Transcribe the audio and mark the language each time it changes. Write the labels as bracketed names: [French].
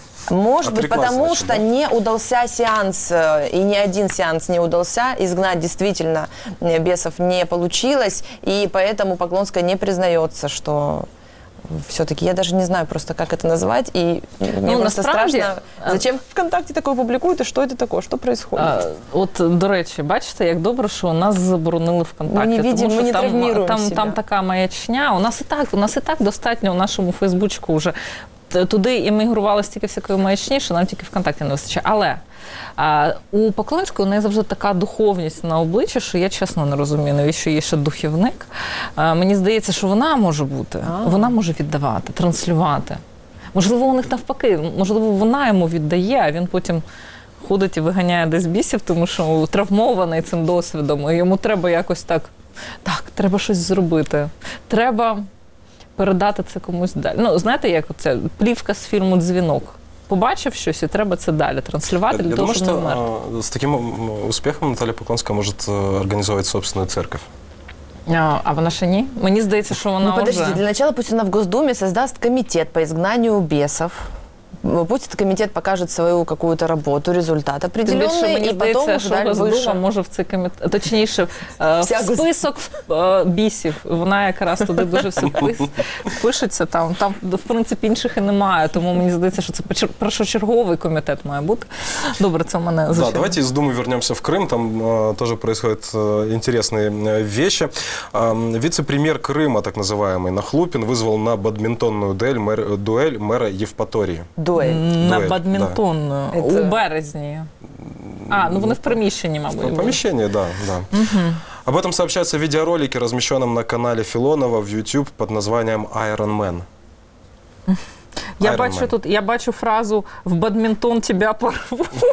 [Russian] Может быть, потому что не удался сеанс, и ни один сеанс не удался, изгнать действительно бесов не получилось, и поэтому Поклонская не признается, что... Все-таки я даже не знаю просто, как это назвать. И мне просто страшно. Зачем ВКонтакте такое публикуют? И что это такое? Что происходит? [Ukrainian] От, до речі, бачите, як добре, що нас заборонили ВКонтакте. Ми не видим, тому, ми не там, травмируємо себе. Там така маячня. У нас і так достатньо у нашому фейсбучку вже. Туди емігрували стільки всякої маячні, що нам тільки ВКонтакте не вистачає. Але у Поклонської у неї завжди така духовність на обличчі, що я чесно не розумію, навіщо є ще духівник. Мені здається, що вона може бути, вона може віддавати, транслювати. Можливо, у них навпаки, можливо, вона йому віддає, а він потім ходить і виганяє десь бісів, тому що травмований цим досвідом, і йому треба якось так, так, треба щось зробити, треба передати це комусь далі. Ну, знаєте, як це плівка з фільму «Дзвінок». Побачив щось, і треба це далі транслювати для того, щоб не вмерти. З таким успіхом Наталія Поклонська може організувати собственну церкву. А вона ще ні? Мені здається, що вона вже... Для початку пусть вона в Госдумі создасть комітет по ізгнанню бісів. [Russian] Пусть этот комитет покажет свою какую-то работу, результат определенный, и потом уже дальше выше. [Ukrainian] Може в цей комитет, точніше, в список бісів, вона якраз туди дуже все впишеться, там, в принципі, інших і немає, тому мені здається, що це першочерговий комітет має бути. Добре, це в мене звичайно. Да, давайте з Думи вернемося в Крим, там теж відбуваються інтересні речі. Віце-прем'єр Крима, так називаємий, Нахлупін, визвав на бадмінтонну дуель мера Євпаторії. [Russian] Дуэль. На бадминтонную. Да. Это... [Ukrainian] У березні. А, ну вони в приміщенні, мабуть. В приміщенні, так. Да, да. [Russian] Об этом сообщается в видеоролике, [Ukrainian] розміщеному на каналі [Russian] Філонова в YouTube под названням Iron Man. [Ukrainian] Я бачу фразу [Russian] «в бадминтон тебя порву».